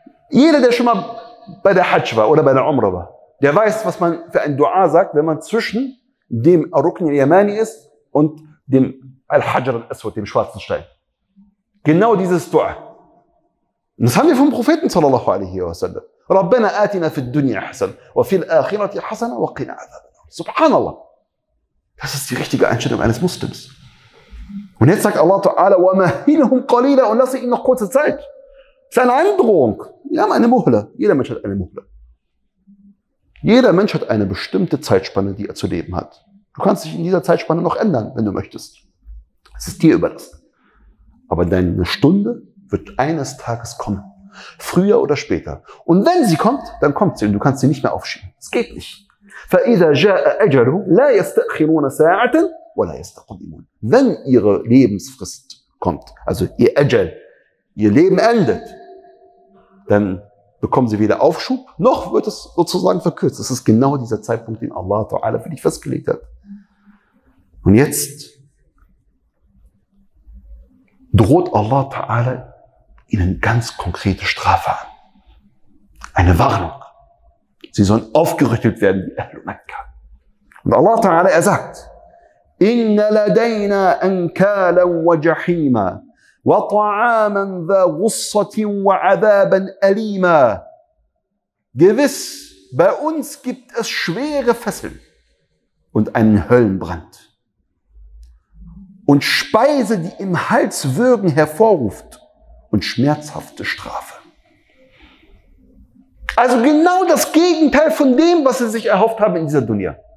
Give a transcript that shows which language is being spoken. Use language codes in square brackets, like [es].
[de] Jeder, der schon mal bei der Hajj war oder bei der Umrah war, der weiß, was man für ein Dua sagt, wenn man zwischen dem Rukn al-Yamani ist und dem Al-Hajr al-Aswad, dem schwarzen Stein. Genau dieses Dua. Und das haben wir vom Propheten, sallallahu alaihi wa sallam. [ar] ربنا آتنا في الدنيا حسن وفي الآخرة حسن وقنا عذاب النار. سبحان الله. [de] Das ist die richtige Einstellung eines Muslims. Und jetzt sagt Allah Ta'ala, [ar] وَمَهِلْهُمْ قَلِيلًا [de] und lasse ihnen noch kurze Zeit. Das ist eine Androhung. Wir haben eine Muhla. Jeder Mensch hat eine Muhla. Jeder Mensch hat eine bestimmte Zeitspanne, die er zu leben hat. Du kannst dich in dieser Zeitspanne noch ändern, wenn du möchtest. Es ist dir überlassen. Aber deine Stunde wird eines Tages kommen. Früher oder später. Und wenn sie kommt, dann kommt sie und du kannst sie nicht mehr aufschieben. Es geht nicht. [ar] فَإِذَا جَاءَ أَجَلُ لَا يَسْتَأْخِرُونَ سَاعَةً وَلَا يَسْتَقْدِمُونَ. [de] Wenn ihre Lebensfrist kommt, also ihr Ajal, ihr Leben endet, dann bekommen sie weder Aufschub, noch wird es sozusagen verkürzt. Das ist genau dieser Zeitpunkt, den Allah Ta'ala für dich festgelegt hat. Und jetzt droht Allah Ta'ala ihnen ganz konkrete Strafe an. Eine Warnung. Sie sollen aufgerüttelt werden wie Ahlul Makkah. Und Allah Ta'ala, er sagt, [ar] إِنَّ لَدَيْنَا أَنْكَالًا وَجَحِيمًا وَطَعَامًا ذَا غُصَّةٍ وَعَذَابًا أَلِيمًا. [de] Gewiss, bei uns gibt es schwere Fesseln und einen Höllenbrand und Speise, die im Hals Würgen hervorruft, und schmerzhafte Strafe. Also genau das Gegenteil von dem, was sie sich erhofft haben in dieser Dunya.